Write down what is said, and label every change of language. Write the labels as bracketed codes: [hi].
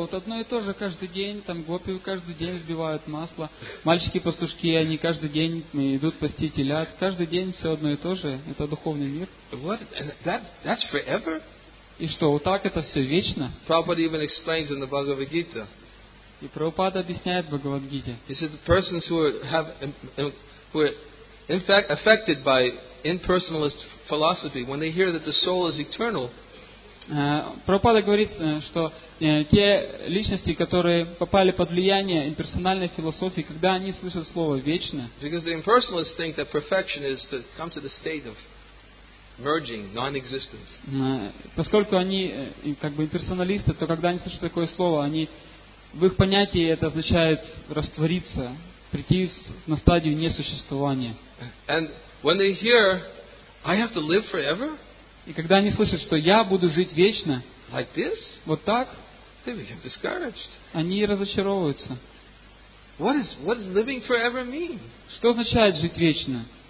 [ru] Вот одно и то же каждый день, там гопи каждый день сбивают масло, мальчики-пастушки, они каждый день идут пасти телят. Каждый день все одно и то же. Это духовный мир. [en] What? That's forever? [ru] И что, вот так это все вечно? [en] Prabhupada even explains in the Bhagavad Gita. [ru] И Прабхупада объясняет в Бхагавад Гите. [en] He said the persons who are in fact affected by impersonalist philosophy, when they hear that the soul is eternal. [ru] Прабхупада говорит, что те личности, которые попали под влияние имперсональной философии, когда они слышат слово «вечно», [en] because the impersonalists think that perfection is to come to the state of merging, non-existence. [ru] Поскольку они как бы имперсоналисты, то когда они слышат такое слово, они в их понятии это означает раствориться, прийти на стадию несуществования. [en] And when they hear, I have to live forever. [ru] И когда они слышат, что я буду жить вечно, [en] like this? [ru] Вот так, [en] they become discouraged. [ru] Они разочаровываются. [en] What is living forever mean? [ru] Что означает жить вечно?